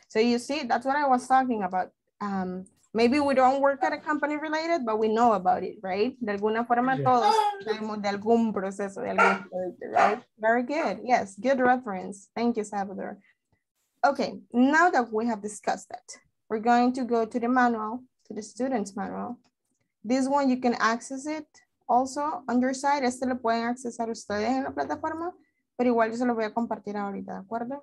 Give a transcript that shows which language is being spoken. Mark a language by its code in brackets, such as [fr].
[en] So you see, that's what I was talking about. Maybe we don't work at a company related, but we know about it, right? [es] De alguna forma, yes. Todos sabemos de algún proceso, de algún proyecto, right? [en] Very good. Yes, good reference. Thank you, Salvador. Okay, now that we have discussed that, we're going to go to the manual, to the student's manual. This one, you can access it also on your side. [es] Este lo pueden accesar ustedes en la plataforma, pero igual yo se lo voy a compartir ahorita, ¿de acuerdo?